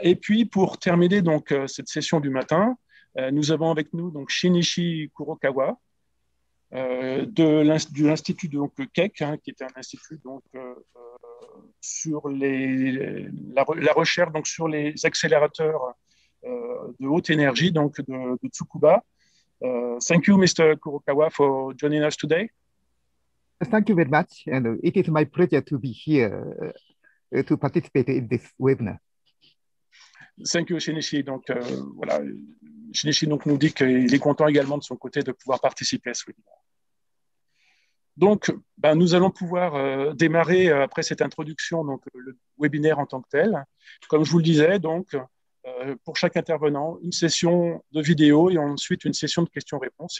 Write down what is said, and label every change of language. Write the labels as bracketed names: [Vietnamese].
[French] Et puis, pour terminer donc, cette session du matin, nous avons avec nous donc, Shinichi Kurokawa de l'Institut KEK, hein, qui est un institut donc, sur la recherche donc, sur les accélérateurs de haute énergie donc, de Tsukuba. [English] Thank you, Mr. Kurokawa, for joining us today. Thank you very much, and it is my pleasure to be here to participate in this webinar. Thank you, Shinichi. [French] Donc, voilà, Shinichi donc, nous dit qu'il est content également de son côté de pouvoir participer à ce webinar. Donc, ben, nous allons pouvoir démarrer après cette introduction donc, le webinaire en tant que tel. Comme je vous le disais, donc, pour chaque intervenant, une session de vidéo et ensuite une session de questions-réponses.